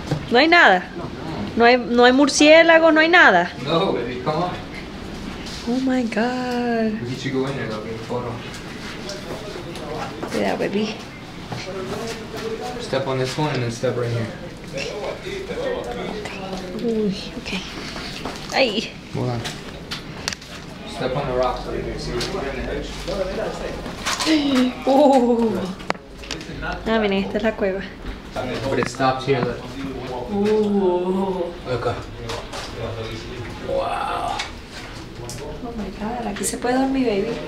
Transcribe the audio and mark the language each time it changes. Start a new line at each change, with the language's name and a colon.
Spanish: No hay nada. No hay murciélago, no hay nada.
English: No, baby, come on. Oh my god. We need to go in there, okay, photo.
Spanish: Cuidado, baby.
English: Step on this one and then step right here. Uy, okay. Ay. Hold on. Step on the rocks, so you can see what's on the edge.
Spanish: Ah, miren, esta es la cueva.
English: But it stops here. Look. Ooh. Okay. Wow. Oh my God,
Spanish: aquí se puede dormir, baby.